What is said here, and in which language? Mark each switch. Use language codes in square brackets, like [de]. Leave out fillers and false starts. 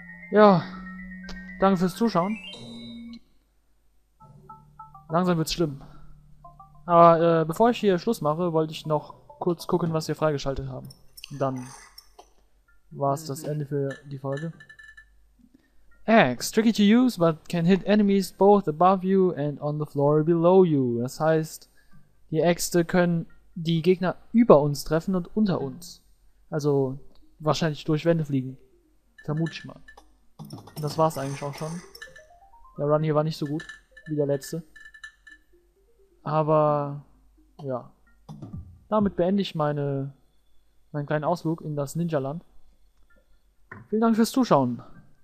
[de] Ja, danke fürs Zuschauen. Langsam wird's schlimm. Aber bevor ich hier Schluss mache, wollte ich noch kurz gucken, was wir freigeschaltet haben. Und dann war's das Ende für die Folge. [en] Axe, tricky to use, but can hit enemies both above you and on the floor below you. [de] Das heißt, die Äxte können die Gegner über uns treffen und unter uns. Also wahrscheinlich durch Wände fliegen. Vermute ich mal. Und das war's eigentlich auch schon. Der Run hier war nicht so gut wie der letzte. Aber ja. Damit beende ich meinen kleinen Ausflug in das Ninja-Land. Vielen Dank fürs Zuschauen.